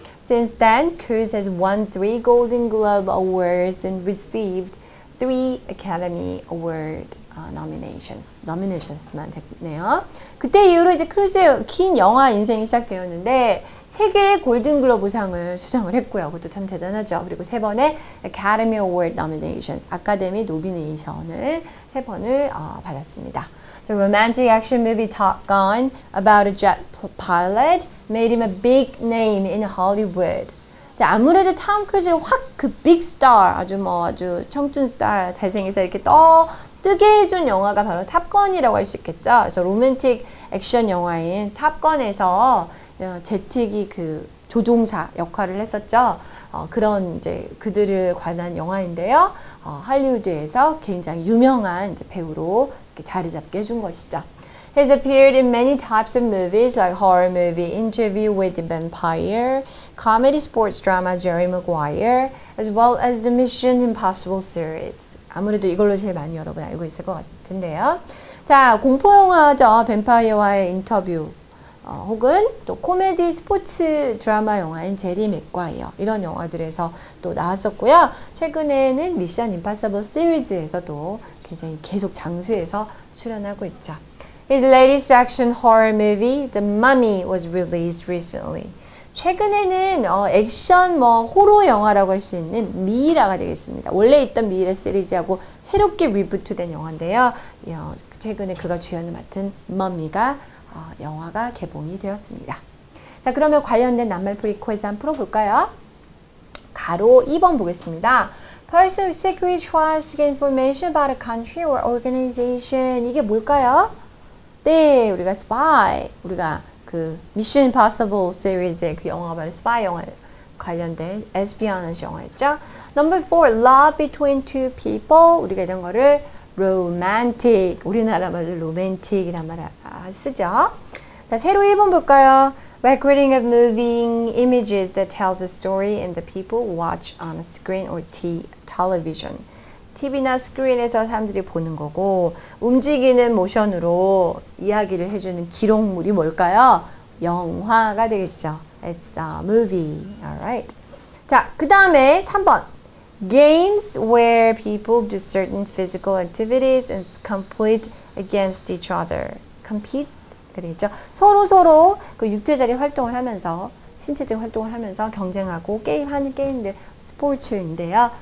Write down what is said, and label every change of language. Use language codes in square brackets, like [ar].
[en] Since then, Cruise has won 3 Golden Globe Awards and received 3 Academy Award nominations [ko] 만 됐네요. 그때 이후로 이제 크루즈의 긴 영화 인생이 시작되었는데 3개의 골든글로브상을 수상을 했고요. 그것도 참 대단하죠. 그리고 3번의 [en] Academy Award nominations, [ko] 아카데미 노미네이션을 3번을 받았습니다. [en] The romantic action movie Top Gun about a jet pilot made him a big name in Hollywood. [ko] 자, 아무래도 톰 크루즈를 확 그 빅 스타, 아주 뭐 아주 청춘 스타 대생에서 이렇게 뜨게 해준 영화가 바로 탑건이라고 할 수 있겠죠. 그래서 로맨틱 액션 영화인 탑건에서 제트기 그 조종사 역할을 했었죠. 그런 이제 그들을 관한 영화인데요. 할리우드에서 굉장히 유명한 이제 배우로 이렇게 자리 잡게 해준 것이죠. [en] He's appeared in many types of movies like horror movie Interview with the Vampire, comedy sports drama Jerry Maguire, as well as the Mission Impossible series. [ko] 아무래도 이걸로 제일 많이 여러분 알고 있을 것 같은데요. 자, 공포영화죠. 뱀파이어와의 인터뷰 혹은 또 코미디 스포츠 드라마 영화인 제리 맥과이어 이런 영화들에서 또 나왔었고요. 최근에는 미션 임파서블 시리즈에서도 굉장히 계속 장수해서 출연하고 있죠. [en] His latest action horror movie The Mummy was released recently. [ko] 최근에는 액션 뭐 호러 영화라고 할 수 있는 미이라가 되겠습니다. 원래 있던 미이라 시리즈하고 새롭게 리부트된 영화인데요. 최근에 그가 주연을 맡은 머미가 영화가 개봉이 되었습니다. 자, 그러면 관련된 낱말 프리퀄에서 한번 풀어볼까요? 가로 2번 보겠습니다. [en] Person of secret trust get information about a country or organization. [ko] 이게 뭘까요? 네, 우리가 spy, 우리가 그 미션 임파서블 시리즈의 그 영화 바로 스파이 영화 관련된 에스피어너지 영화였죠. [en] Number 4, love between two people. [ko] 우리가 이런 거를 romantic, 우리나라 말로 로맨틱이란 말을 쓰죠. 자, 새로 1번 볼까요? [en] Recording of moving images that tells a story and the people watch on a screen or television. [ko] TV나 스크린에서 사람들이 보는 거고 움직이는 모션으로 이야기를 해주는 기록물이 뭘까요? 영화가 되겠죠. [en] It's a movie. Alright. [ko] 자, 그 다음에 3번. [en] Games where people do certain physical activities and compete against each other. [ko] Compete? 그렇죠. 서로서로 그 육체적인 활동을 하면서 신체적 활동을 하면서 경쟁하고 게임하는 게임들 스포츠인데요.